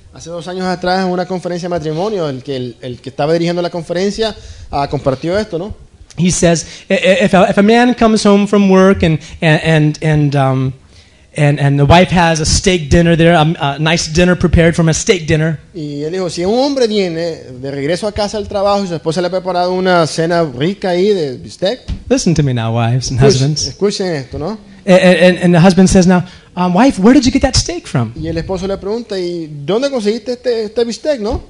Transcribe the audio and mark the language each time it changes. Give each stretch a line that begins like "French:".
Spanish: Hace dos años atrás en una conferencia de matrimonio, el que estaba dirigiendo la conferencia compartió esto, ¿no?
English: He says if a man comes home from work and the wife has a steak dinner there, a nice dinner prepared from a steak dinner.
Spanish: Y él dijo, si un hombre viene de regreso a casa del trabajo y su esposa le ha preparado una cena rica ahí de bistec.
English: Listen to me now, wives and husbands.
Spanish: Escuchen esto, ¿no?
English: And the husband says now, wife, where did you get that steak from?
Spanish: Y el esposo le pregunta, ¿y dónde conseguiste este bistec, no?